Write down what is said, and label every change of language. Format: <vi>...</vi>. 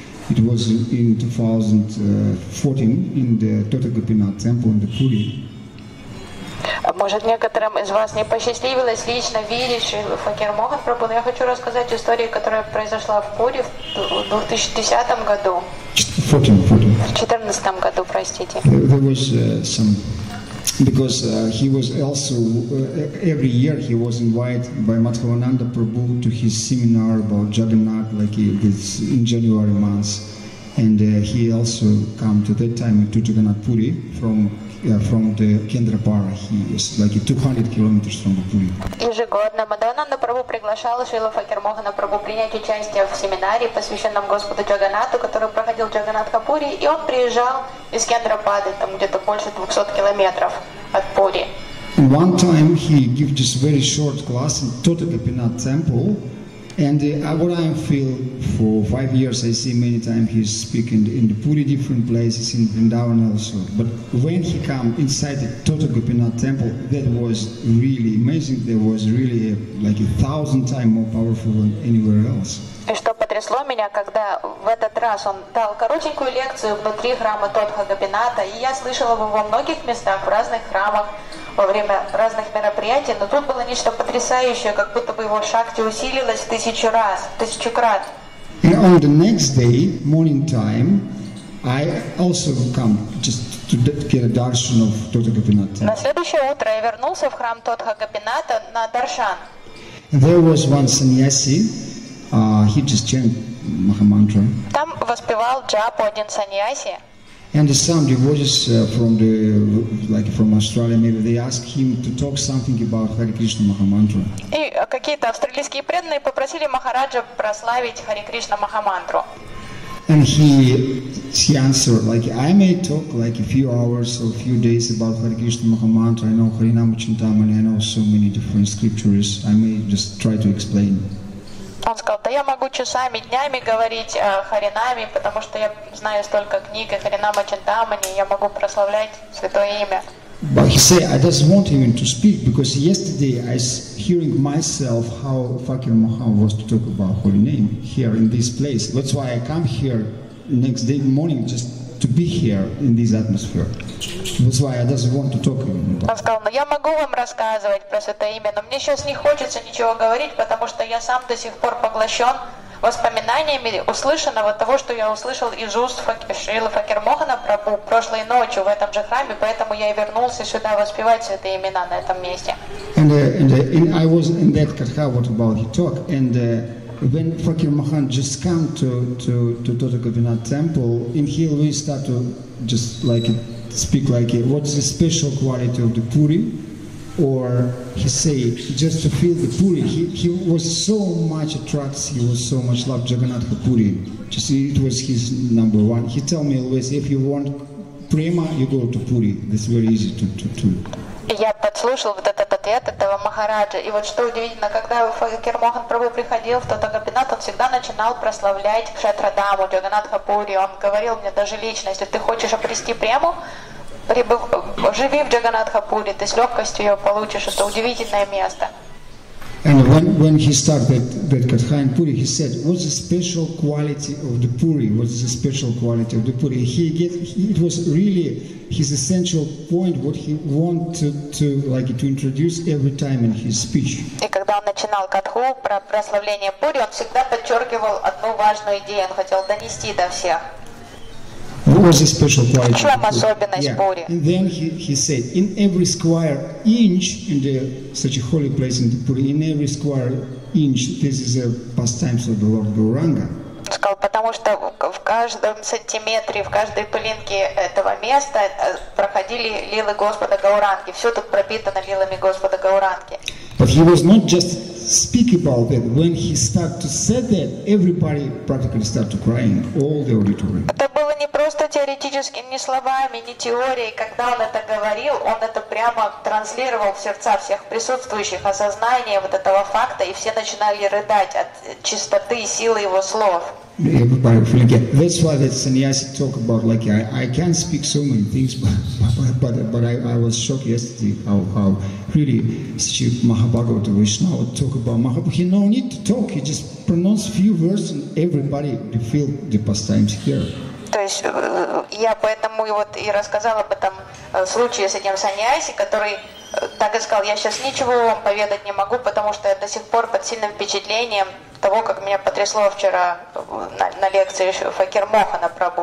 <en>It was in 2014 in the Tota Gopinath temple in the Puri.</en> <ru>Может, некоторым из вас не посчастливилось лично видеть Шрилу Факир Мохан Прабху, но я хочу рассказать историю, которая произошла в Пури в 2010 году. В 2014 году.</ru> <en>There was some because he was also every year he was invited by Madhavananda Prabhu to his seminar about Jagannath, like this in January month. And he also came to that time to Jagannath Puri from the Kendra Para. He is like 200 kilometers from the Puri.</en> <ru>Ежегодно Мадхавананда Прабху приглашал Шрилу Факир Мохана Прабху принять участие в семинаре, посвященном Господу Джаганнату, который проходил в Джаганнатхапури, и он приезжал из Кендра Пары, там где-то больше 200 километров от Пури.</ru> <en>One time he gave just very short class in Tota Gopinath temple. And what I feel for 5 years, I see many times he's speaking in the Puri different places, in Vrindavan also. But when he came inside the Tota Gopinath temple, that was really amazing. There was really like 1,000 times more powerful than anywhere else.</en> <ru>И что потрясло меня, когда в этот раз он дал коротенькую лекцию внутри храма Тота Гопинатха, и я слышала его во многих местах, в разных храмах, во время разных мероприятий, но тут было нечто потрясающее, как будто бы его шакти усилилось тысячу крат.</ru> <en>And on the next day, morning time, I also come just to get a darshan of Тота Гопинатха.</en> <ru>На следующее утро я вернулся в храм Тота Гопинатха на даршан.</ru> <en>There was one sannyasi. He just chanted Mahamantra.</en> <ru>Там воспевал джапу один саньяси.</ru> <en>And the some devotees from the like from Australia, maybe they asked him to talk something about Hare Krishna Mahamantra.</en> <ru>И какие-то австралийские преданные попросили Махараджа прославить Hare Krishna Mahamantra.</ru> <en>And he answered like I may talk like a few hours or a few days about Hare Krishna Mahamantra. I know Harinama Chintamani, I know so many different scriptures. I may just try to explain.</en> <ru>Он сказал, да я могу часами, днями говорить о Харинаме, потому что я знаю столько книг о Харинама Чинтамани, я могу прославлять Святое Имя.</ru> <en>But he said, I just want even to speak, because yesterday I was hearing myself how Fakir Mohan was to talk about Holy Name here in this place. That's why I come here next day morning just to be here in this atmosphere. That's why I doesn't want to talk anymore.</en> <ru>Он сказал, но я могу вам рассказывать про это имя, но мне сейчас не хочется ничего говорить, потому что я сам до сих пор поглощен воспоминаниями услышанного того, что я услышал из уст Шрилы Факирмохана Прабху прошлой ночью в этом же храме, поэтому я и вернулся сюда воспевать святые имена на этом месте.</ru> <en>And I was in that katha what about he talk and when Fakirmohan just come to Totokovinath temple in here we start to just like speak like it. What is the special quality of the Puri? Or he say just to feel the Puri, he was so much attracted, he was so much loved Jagannatha Puri. Just it was his number one. He tell me always, if you want prema, you go to Puri. That's very easy to.</en> <ru>Я подслушал вот этот ответ этого Махараджа. И вот что удивительно, когда Факирмохан Прабху приходил в Тотокапинат, он всегда начинал прославлять Кшетрадаму, Джаганнатха Пури. Он говорил мне даже лично, если ты хочешь обрести прему, живи в Джаганнатха Пури, ты с легкостью ее получишь. Это удивительное место.</ru> <en>And when he started that katha in Puri, he said, "What's the special quality of the Puri? What's the special quality of the Puri?" It was really his essential point, what he wanted to introduce every time in his speech.</en> <ru>И когда он начинал катху про прославление Пури, он всегда подчеркивал одну важную идею. Он хотел донести до всех.</ru> <en>What was the special quality?</en> <ru>В чем особенность Пури?</ru> <en>And then he said, in every square inch in the such a holy place in the Puri, in every square inch, this is a pastimes of the Lord Gauranga.</en> <ru>Он сказал, потому что в каждом сантиметре, в каждой пылинке этого места проходили лилы Господа Гауранги. Все тут пропитано лилами Господа Гауранги.</ru> <en>But he was not just speak about that. When he started to say that, everybody practically started crying, all the auditorium.</en> <ru>Это было не просто теоретически, не словами, не теорией. Когда он это говорил, он это прямо транслировал в сердца всех присутствующих, осознание вот этого факта, и все начинали рыдать от чистоты и силы его слов.</ru> <en>Everybody forget. That's why that sannyasi talk about like I can't speak so many things, but I was shocked yesterday how really Sri Mahabhagavata Vaishnava talk about Mahabhagavata. He no need to talk. He just pronounce few words and everybody feel the pastimes here.</en> <ru>То есть я поэтому вот и рассказал об этом случае с этим саньяси, который так и сказал, я сейчас ничего вам поведать не могу, потому что я до сих пор под сильным впечатлением того, как меня потрясло вчера на лекции Факирмохана Прабху.</ru>